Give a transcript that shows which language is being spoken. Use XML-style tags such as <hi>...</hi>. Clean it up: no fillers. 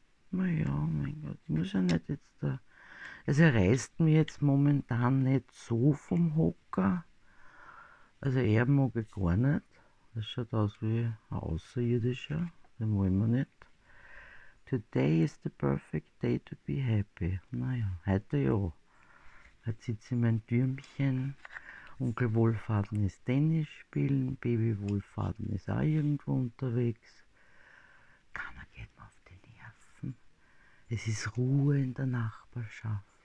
<de>Naja, mein Gott, ich muss ja nicht jetzt da. Also er reißt mir jetzt momentan nicht so vom Hocker. Also er mag ich gar nicht. Das schaut aus wie ein Außerirdischer. Den wollen wir nicht.</de> <en>Today is the perfect day to be happy.</en> <de>Naja, heute ja. Heute sitze ich mein Türmchen. Onkel Wohlfahrten ist Tennis spielen, Baby Wohlfahrten ist auch irgendwo unterwegs. Keiner geht mir auf die Nerven. Es ist Ruhe in der Nachbarschaft.</de>